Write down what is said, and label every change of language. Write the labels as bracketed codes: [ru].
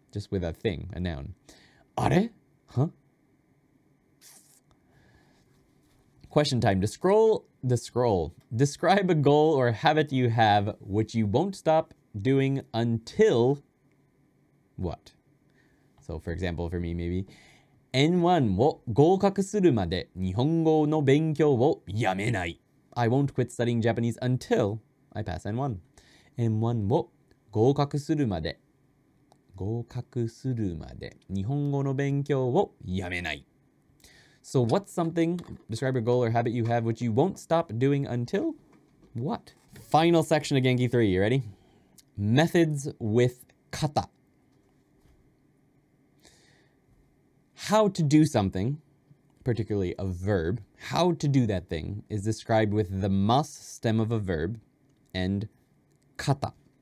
[en] Just with a thing, a noun. [ja] あれ? [en] Huh? Question time. Describe a goal or habit you have which you won't stop doing until what? So, for example, for me, maybe [ja] N1 を合格するまで日本語の勉強をやめない。 [en] I won't quit studying Japanese until I pass N1. [ja] N1 を合格するまで日本語の勉強をやめない。 [en] So what's something, describe your goal or habit you have, which you won't stop doing until what? Final section of Genki 3, you ready? Methods with kata. How to do something, particularly a verb, how to do that thing is described with the mas stem of a verb and kata.